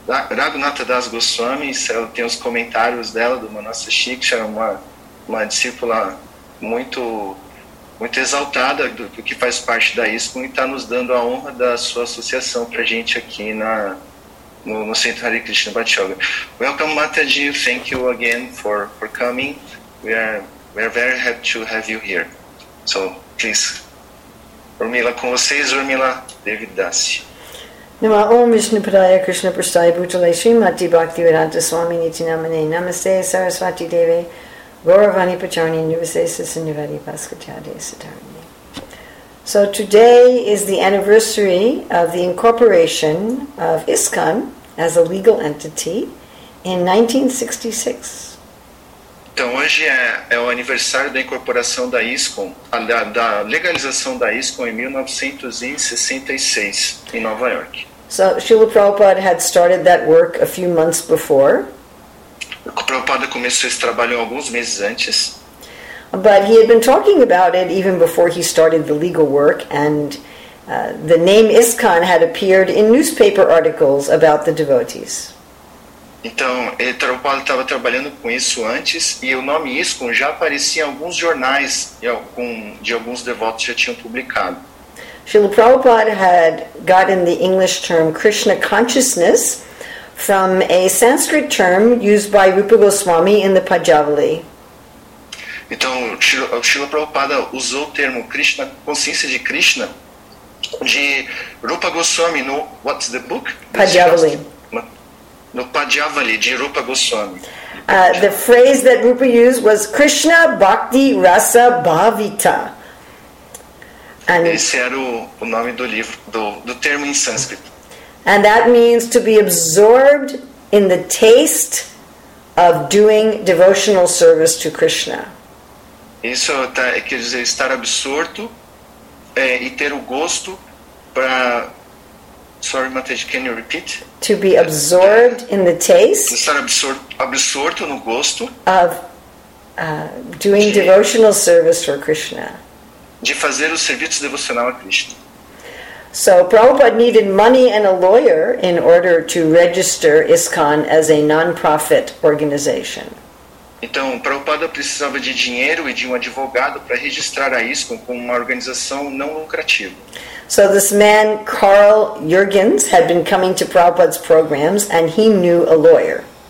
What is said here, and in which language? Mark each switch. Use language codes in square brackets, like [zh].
[pt] Raghunatha Das Goswami, eu tenho os comentários dela, do Manasa Shiksha, uma discípula muito, muito exaltada do que faz parte da ISKCON, e está nos dando a honra da sua associação para a gente aqui no Centro Hare Krishna Bhakti Yoga. [en] Welcome, Mataji, thank you again for coming. We are very happy to have you here. So, please, [pt] Urmila, com vocês, Urmila Devadasi. [sa] Nama Om Vishnu Padaya Krishna Prasthaya Bhutale Srimati Bhakti Vedanta Swami Niti Namane Namaste Saraswati Deve Gauravani Pacharani Nivasesa Sinivadi Paskatyade Satarani. [en] So today is the anniversary of the incorporation of ISKCON as a legal entity in 1966. [pt] Então hoje é o aniversário da incorporação da ISKCON, da legalização da ISKCON em 1966 em Nova York. [en] So Srila Prabhupada had started that work a few months before. [pt] Prabhupada começou esse trabalho alguns meses antes. [en] But he had been talking about it even before he started the legal work, and the name ISKCON had appeared in newspaper articles about the devotees. [pt] Então, Prabhupada estava trabalhando com isso antes, e o nome ISKCON já aparecia em alguns jornais de alguns devotos já tinham publicado. [en] Srila Prabhupada had gotten the English term Krishna consciousness from a Sanskrit term used by Rupa Goswami in the Pajavali. [pt] Então, Srila Prabhupada usou o termo Krishna, consciência de Krishna, de Rupa Goswami no, [en] what's the book? [pt] Pajavali. No Pajavali, de Rupa Goswami. [en] The phrase that Rupa used was Krishna Bhakti Rasa Bhavita. [pt] And esse era o nome do livro, do termo em sânscrito. [en] And that means to be absorbed in the taste of doing devotional service to Krishna. [pt] Isso quer dizer estar absorto e ter o gosto para... [en] Sorry, Mataji, can you repeat? To be absorbed in the taste... [pt] Estar absorto no gosto... [en] Of doing devotional service for Krishna. [pt] De fazer o serviço devocional a Krishna. [en] So Prabhupada needed money and a lawyer in order to register ISKCON as a non-profit organization. [pt] Então, Prabhupada precisava de dinheiro e de um advogado para registrar a ISKCON como uma organização não lucrativa. [en] So this man, Carl Jurgens, had been coming to Prabhupada's programs and he knew a lawyer.